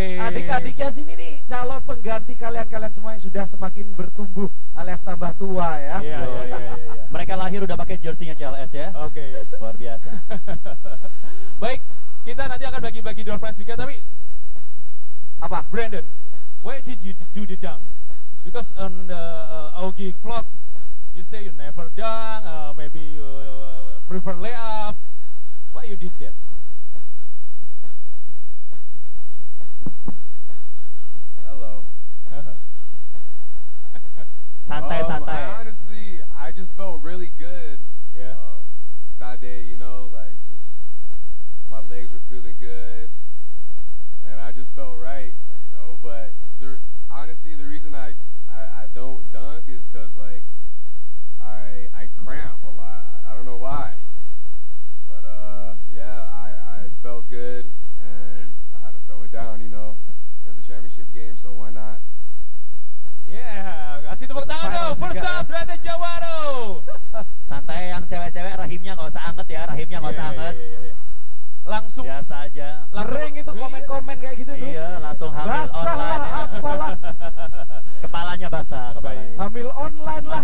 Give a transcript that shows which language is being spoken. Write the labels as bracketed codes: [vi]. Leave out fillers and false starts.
[id] Adik-adiknya sini nih calon pengganti kalian-kalian semua yang sudah semakin bertumbuh alias tambah tua ya. Iya, iya, iya. Mereka lahir udah pakai jersey-nya CLS ya. Oke. Okay. Luar biasa. Baik, kita nanti akan bagi-bagi door prize juga, tapi apa? [en] Brandon, why did you do the dunk? Because on the Augie vlog, you say you never dunk, maybe you prefer layup. Why you did that? Hello. [id] Santai, santai. [en] Honestly, I just felt really good. Yeah. That day, you know, like just my legs were feeling good, and I just felt right, you know. But honestly, the reason I don't dunk is because like I cramp a lot. I don't know why. But yeah, I felt good and I had to throw it down, you know. It was a championship game, so why not? [id] Yeah, kasih tepuk tangan dong. [en] First up, [id] Brandon Jawaro. Santai yang cewek-cewek, rahimnya gak usah anget ya, rahimnya gak usah anget. Langsung biasa aja. Sering itu komen-komen kayak gitu tuh. Iya, langsung hamil basah online. Basah lah apalah. Kepalanya basah, kepalanya. Hamil online lah.